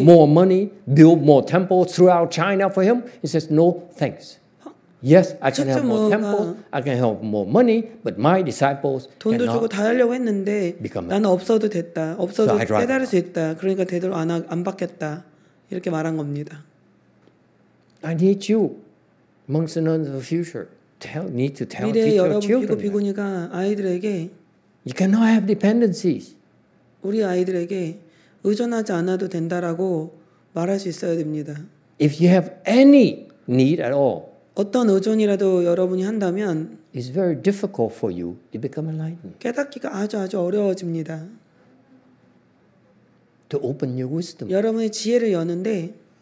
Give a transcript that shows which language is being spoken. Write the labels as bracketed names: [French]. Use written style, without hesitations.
[English] more money, build more temples throughout China for him. He says, no, thanks. Yes, I can have more temples, I can have more money, but my disciples cannot [Korean] 주고 다 하려고 했는데 [English] become [Korean] 나는 없어도 됐다. 없어도 깨달을 수 있다. 그러니까 되도록 안 받겠다. 이렇게 말한 겁니다. [English] I need you, monks and nuns of the future. Need to tell, teach your children. [Korean] 비구니가 아이들에게 [English] You cannot have dependencies. [Korean] 우리 아이들에게 의존하지 않아도 된다라고 말할 수 있어야 됩니다. [English] If you have any need at all, [Korean] 어떤 의존이라도 여러분이 한다면, [English] it's very difficult for you to become enlightened. [Korean] 깨닫기가 아주 아주 어려워집니다. [English] To open your wisdom. [Korean] 여러분의 지혜를 여는데,